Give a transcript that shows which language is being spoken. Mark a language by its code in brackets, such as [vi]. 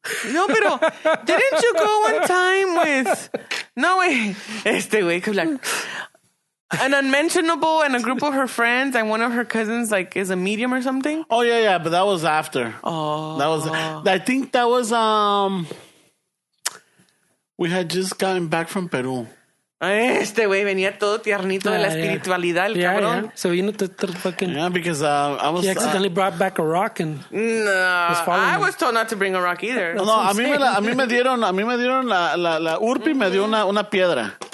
[en] No, [es] pero [en] didn't you go one time with, no way, este way, like, an unmentionable and a group of her friends and one of her cousins, like, is a medium or something? Oh, yeah, yeah, but that was after. Oh. That was, I think that was, we had just gotten back from Peru. [es] Este güey venía todo tiernito de la espiritualidad, el cabrón. [en] So you know the fucking. Yeah, because I was. He accidentally brought back a rock and. No. I was told not to bring a rock either. [es] No, a mí me dieron la Urpi me dio una piedra.